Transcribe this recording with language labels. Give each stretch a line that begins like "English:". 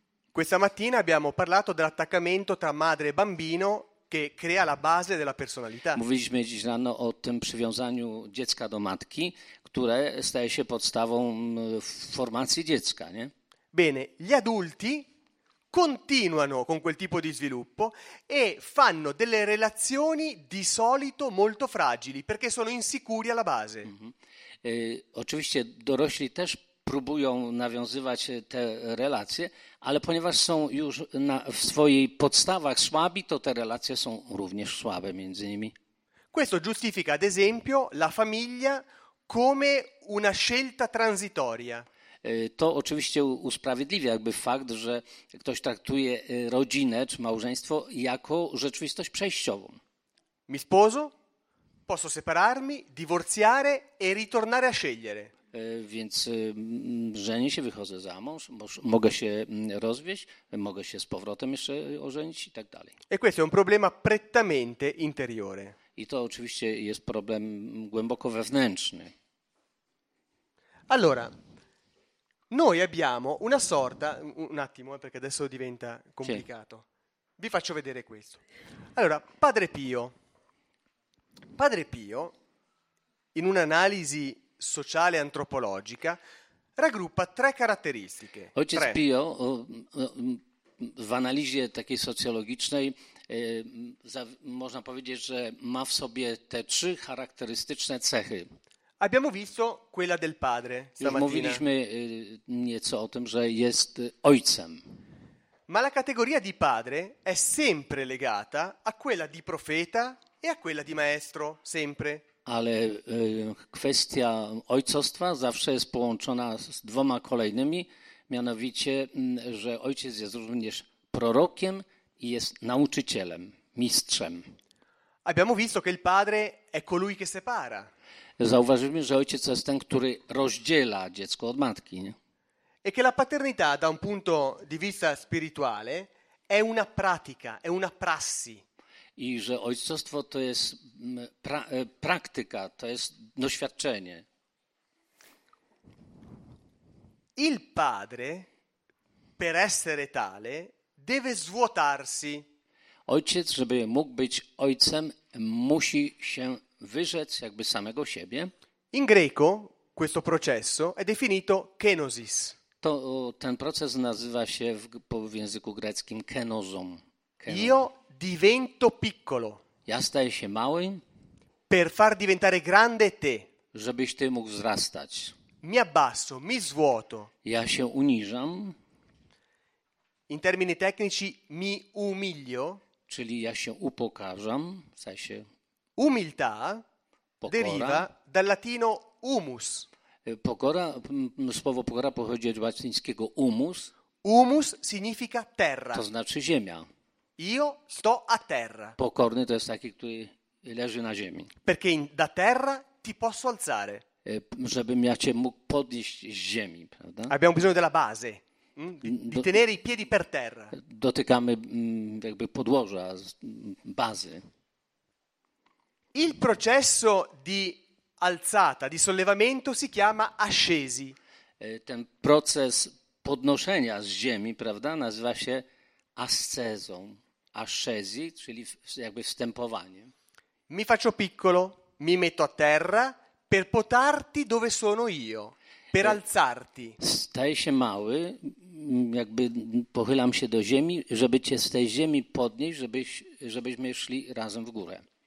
Italian: Questa mattina abbiamo parlato dell'attaccamento tra madre e bambino che crea la base della personalità.
Polish: Mówiliśmy dziś rano o tym przywiązaniu dziecka do matki, które staje się podstawą formacji dziecka, nie?
Italian: Bene, gli adulti continuano con quel tipo di sviluppo e fanno delle relazioni di solito molto fragili, perché sono insicuri alla base.
Polish: Oczywiście dorośli też próbują nawiązywać te relacje, ale ponieważ są już w swoich podstawach słabi, to te relacje są również słabe między nimi.
Italian: Questo giustifica, ad esempio, la famiglia come una scelta transitoria.
Polish: To oczywiście usprawiedliwia jakby fakt, że ktoś traktuje rodzinę czy małżeństwo jako rzeczywistość przejściową.
Italian: Mi sposo, posso separarmi, divorziare e ritornare a scegliere.
Polish: Więc żenię się, wychodzę za mąż, mogę się rozwieść, mogę się z powrotem jeszcze ożenić i tak dalej.
Italian: E questo è un problema prettamente interiore.
Polish: I to oczywiście jest problem głęboko wewnętrzny.
Italian: Allora, noi abbiamo una sorta, un attimo, perché adesso diventa complicato. Sì. Vi faccio vedere questo. Allora, Padre Pio, in un'analisi sociale antropologica, raggruppa tre caratteristiche.
Polish: Ojciec Pio w analizie takiej socjologicznej można powiedzieć, że ma w sobie te trzy charakterystyczne cechy.
Italian: Abbiamo visto quella del padre stamattina.
Polish: Mówiliśmy nieco o tym, że jest ojcem.
Italian: Ma la categoria di padre è sempre legata a quella di profeta e a quella di maestro, sempre.
Polish: Ale kwestia ojcostwa zawsze jest połączona z dwoma kolejnymi, mianowicie, że ojciec jest również prorokiem i jest nauczycielem, mistrzem.
Italian: Abbiamo visto che il padre è colui che separa.
Polish: Zauważymy, że ojciec jest ten, który rozdziela dziecko od matki. Nie?
Italian: E che la paternità, da un punto di vista spirituale, è una pratica, è una prassi.
Polish: I że ojcostwo to jest praktyka, to jest doświadczenie.
Italian: Il padre, per essere tale, deve svuotarsi.
Polish: Ojciec, żeby mógł być ojcem, musi się wyrzec jakby samego siebie.
Italian: In greco questo processo è definito kenosis.
Polish: To ten proces nazywa się w języku greckim kenosą.
Italian: Io divento piccolo.
Polish: Ja staję się mały.
Italian: Per far diventare grande te.
Polish: Żebyś ty mógł wzrastać.
Italian: Mi abbasso, mi svuoto.
Polish: Ja się uniżam.
Italian: In termini tecnici mi umilio,
Polish: czyli ja się upokarzam, w sensie
Italian: umiltà deriva dal latino humus.
Polish: Pokora, słowo pokora pochodzi od łacińskiego humus.
Italian: Humus significa terra.
Polish: To znaczy ziemia.
Italian: Io sto a terra.
Polish: Pokorny to jest taki, który leży na ziemi.
Italian: Perché da terra ti posso alzare.
Polish: Żebym ja cię mógł podnieść z ziemi, prawda?
Italian: Abbiamo bisogno della base. Di tenere i piedi per terra.
Polish: Dotykamy jakby podłoża, bazy.
Italian: Il processo di alzata, di sollevamento si chiama ascesi.
Polish: Ten proces podnoszenia z ziemi, prawda, nazywa się ascesą. Ascesi, czyli jakby wstępowanie.
Italian: Mi faccio piccolo, mi metto a terra per portarti dove sono io, per alzarti.
Polish: Staję się mały, jakby pochylam się do ziemi, żeby cię z tej ziemi podnieść, żebyśmy szli razem w górę.